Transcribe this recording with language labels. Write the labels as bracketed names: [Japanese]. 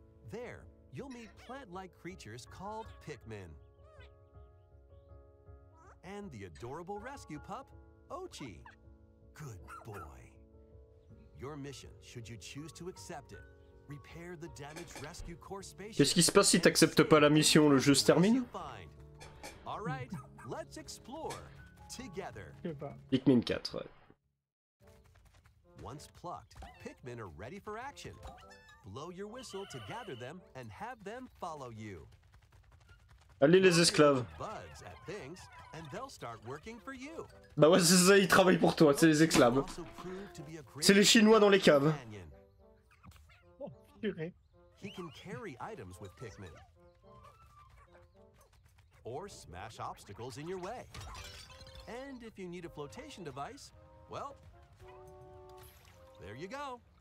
[English] There, you'll meet plant-like creatures called Pikmin. And the adorable rescue pup, Ochi. Good boy. Your mission, should you choose to accept it, repair the damaged rescue core spaceship. [French] Qu'est-ce qui se passe si t'acceptes pas la mission, le jeu se termine? [English] All right, let's explore together. Pikmin 4. Once plucked, Pikmin are ready for action. Blow your whistle to gather them and have them follow you. [French] Allez les esclaves. [English] Bugs at things and they'll start working for you. [French] Bah ouais, c'est ça, ils travaillent pour toi, c'est les esclaves. C'est les Chinois dans les caves. [English] He can carry items with Pikmin or smash obstacles in your way. And if you need a flotation device, well, there you go.